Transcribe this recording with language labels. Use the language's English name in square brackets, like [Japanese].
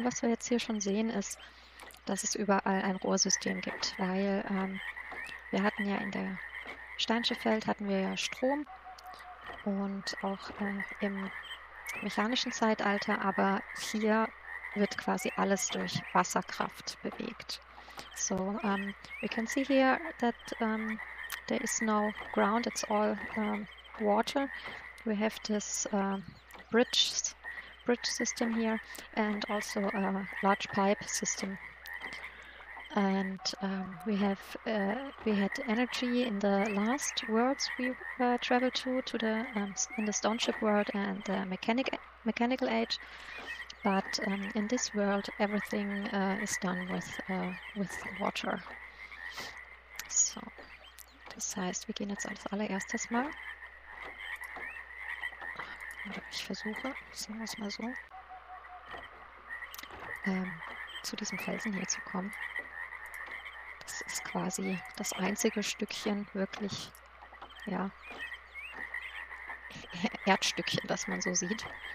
[German] Und was wir jetzt hier schon sehen, ist, dass es überall ein Rohrsystem gibt, weil wir hatten ja in der Steinschiffwelt hatten wir ja Strom und auch im mechanischen Zeitalter, aber hier wird quasi alles durch Wasserkraft bewegt. [English] So, we can see here that there is no ground, it's all water. We have this bridge system here and also a large pipe system. And we had energy in the last worlds we traveled to the in the stone ship world and the mechanical age, but in this world everything is done with water. [German] So, das heißt, wir gehen jetzt als allererstes mal. Ich versuche, sagen wir es mal so, zu diesem Felsen hier zu kommen. Das ist quasi das einzige Stückchen wirklich, ja, Erdstückchen, das man so sieht.